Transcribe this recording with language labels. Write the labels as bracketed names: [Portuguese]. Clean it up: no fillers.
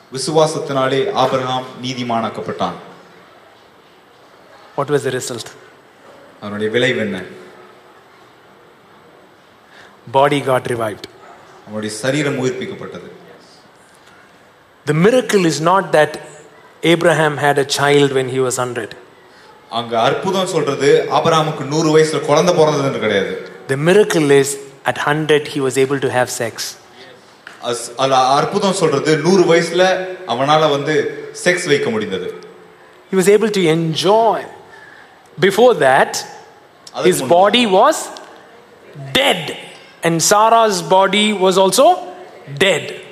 [Tamil] விசுவாசத்தினாலே Abraham நீதிமானாக்கப்பட்டான். [English] What was the result? [Tamil] அவனுடைய விளைவு என்ன? [English] Body got revived. [Tamil] அவருடைய சரீரம் உயிர்ப்பிக்கப்பட்டது. [English] The miracle is not that Abraham had a child when he was 100. [Tamil] அங்க அற்புதம் சொல்றது ஆபிரகாமுக்கு 100 வயசுல குழந்தை பிறந்ததுன்னு கிடையாது. [English] The miracle is at 100 he was able to have sex. [Tamil] அற்புதம் சொல்றது 100 வயசுல அவனால வந்து செக்ஸ் வைக்க முடிந்தது. [English] He was able to enjoy. Before that his body was dead. And Sarah's body was also dead.